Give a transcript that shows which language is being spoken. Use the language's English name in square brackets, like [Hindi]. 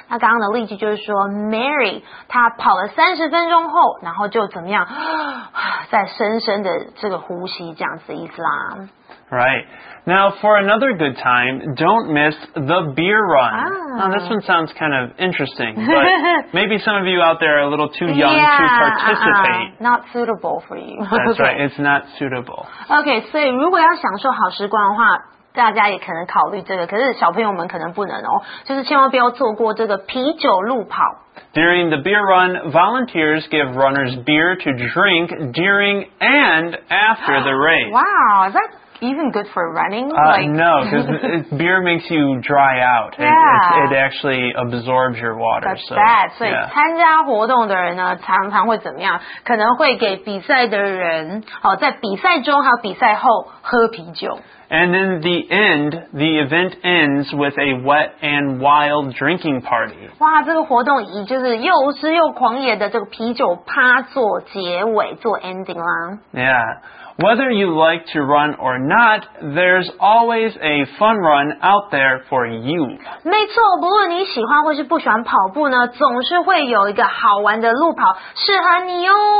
[Chinese] 那刚刚的例句就是说 ,Mary, 她跑了30分钟后然后就怎么样再深深的这个呼吸这样子的意思啦。 [English] Right. Now, for another good time, don't miss the beer run. Now, this one sounds kind of interesting, but maybe some of you out there are a little too young yeah, to participate. Not suitable for you. That's right. It's not suitable. [Chinese] Okay, 所以如果要享受好时光的话大家也可能考虑这个可是小朋友们可能不能哦就是千万不要错过这个啤酒路跑 [English] During the beer run, volunteers give runners beer to drink during and after the race. Wow, that's... Even good for running? No, because beer makes you dry out. Yeah. It actually absorbs your water. That's bad. [Chinese] 所以参加活动的人呢常常会怎么样可能会给比赛的人在比赛中还有比赛后喝啤酒。 [English] And in the end, the event ends with a wet and wild drinking party. [Chinese] 哇这个活动以就是又湿又狂野的这个啤酒趴做结尾做 ending 啦。 [English] Yeah. Whether you like to run or not, there's always a fun run out there for you. [Chinese] 没错，不论你喜欢或是不喜欢跑步呢，总是会有一个好玩的路跑适合你哦。